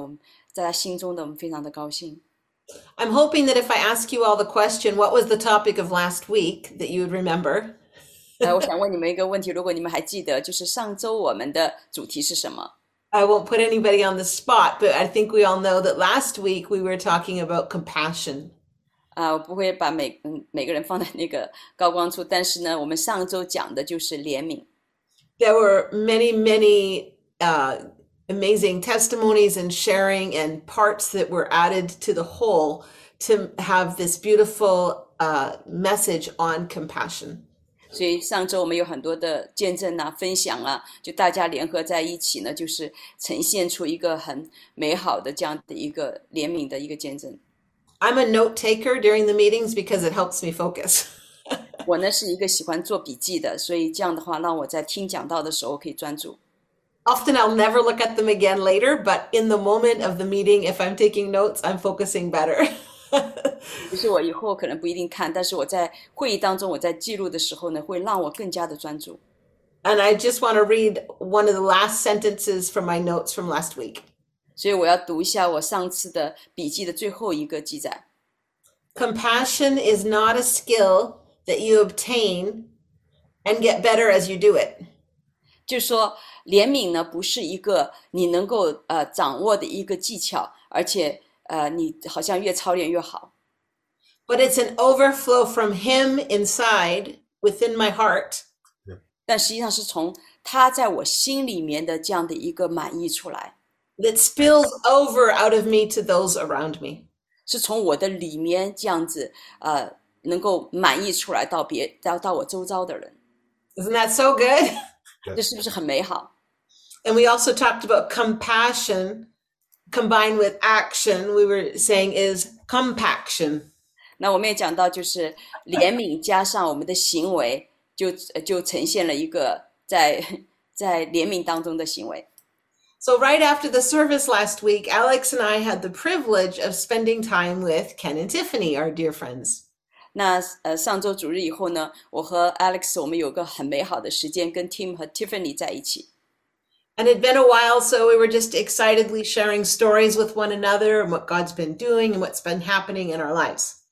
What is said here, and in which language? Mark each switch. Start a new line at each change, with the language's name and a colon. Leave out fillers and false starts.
Chinese: 所以今天早晨为着神在他心目当中的我们，在他心中的我们非常的高兴。
English: I'm hoping that if I ask you all the question, what was the topic of last week that you would remember?
Chinese: 我想问你们一个问题，如果你们还记得，就是上周我们的主题是什么？
English: I won't put anybody on the spot, but I think we all know that last week we were talking about compassion.
Chinese: 我不会把每个人放在那个高光处，但是呢，我们上周讲的就是怜悯。
English: There were many. Amazing testimonies and sharing and parts that were added to the whole to have this beautiful message on compassion.
Chinese: 所以上周我们有很多的见证啊，分享啊，就大家联合在一起呢，就是呈现出一个很美好的这样的一个怜悯的一个见证。
English: I'm a note taker during the meetings because it helps me focus.
Chinese: 我呢是一个喜欢做笔记的，所以这样的话，让我在听讲道的时候可以专注。
English: Often I'll never look at them again later, but in the moment of the meeting, if I'm taking notes, I'm focusing better.
Chinese: 其实我以后可能不一定看，但是我在会议当中，我在记录的时候呢，会让我更加的专注。
English: And I just want to read one of the last sentences from my notes from last week.
Chinese: 所以我要读一下我上次的笔记的最后一个记载。
English: Compassion is not a skill that you obtain and get better as you do it.
Chinese: 就说怜悯呢，不是一个你能够掌握的一个技巧，而且你好像越操练越好。
English: But it's an overflow from him inside, within my heart.
Chinese: 但实际上是从他在我心里面的这样的一个满意出来，
English: That spills over out of me to those around me.
Chinese: 是从我的里面这样子能够满意出来到别到我周遭的人，
English: Isn't that so good?
Chinese: 这是不是很美好？
English: And we also talked about compassion combined with action. We were saying is compaction.
Chinese: 那我们也讲到，就是怜悯加上我们的行为，就呈现了一个在怜悯当中的行为。
English: So right after the service last week, Alex and I had the privilege of spending time with Ken and Tiffany, our dear friends.
Chinese: 那上周主日以后呢，我和 Alex 我们有个很美好的时间，跟 Tim 和 Tiffany 在一起。
English: And it'd been a while, so we were just excitedly sharing stories with one another and what God's been doing and what's been happening in our lives.